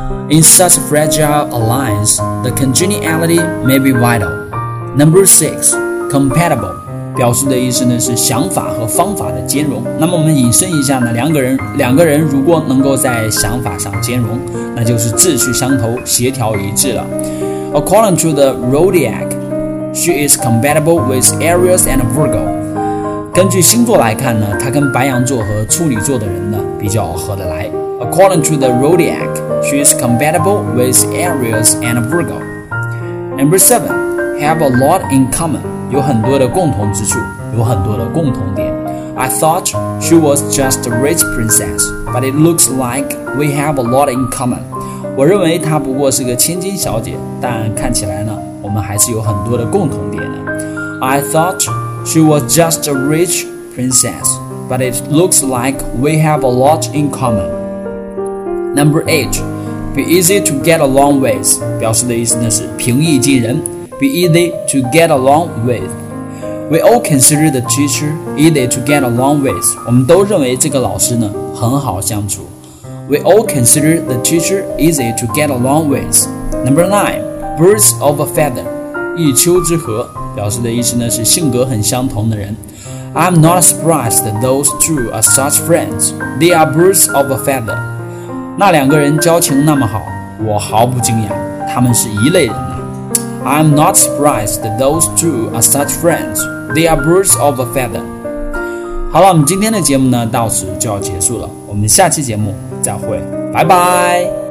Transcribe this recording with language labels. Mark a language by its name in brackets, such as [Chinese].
[English] In such a fragile alliance, the congeniality may be vital. Number six, compatible. [Chinese] 表示的意思呢是想法和方法的兼容。那么我们引申一下呢，两个人如果能够在想法上兼容，那就是志趣相投，协调一致了。 [English] According to the Zodiac, she is compatible with Aries and Virgo. [Chinese] 根据星座来看呢，她跟白羊座和处女座的人呢比较合得来。 [English] According to the Zodiac, she is compatible with Aries and Virgo. Number 7, Have a lot in common. [Chinese] 有很多的共同之处，有很多的共同点。 [English] I thought she was just a rich princess, but it looks like we have a lot in common. [Chinese] 我认为她不过是个千金小姐，但看起来呢，我们还是有很多的共同点的。 [English] I thought she was just a rich princess, but it looks like we have a lot in common. Number 8, be easy to get along with, [Chinese] 表示的意思呢是平易近人。 [English] Be easy to get along with. We all consider the teacher easy to get along with. [Chinese] 我们都认为这个老师呢很好相处。 [English] We all consider the teacher easy to get along with. Number 9, birds of a feather. [Chinese] 一丘之貉，表示的意思呢是性格很相同的人。 [English] I'm not surprised that those two are such friends. They are birds of a feather. [Chinese] 那两个人交情那么好，我毫不惊讶，他们是一类人。 [English] I'm not surprised that those two are such friends. They are birds of a feather. [Chinese] 好了，我们今天的节目呢，到此就要结束了。我们下期节目再会，拜拜。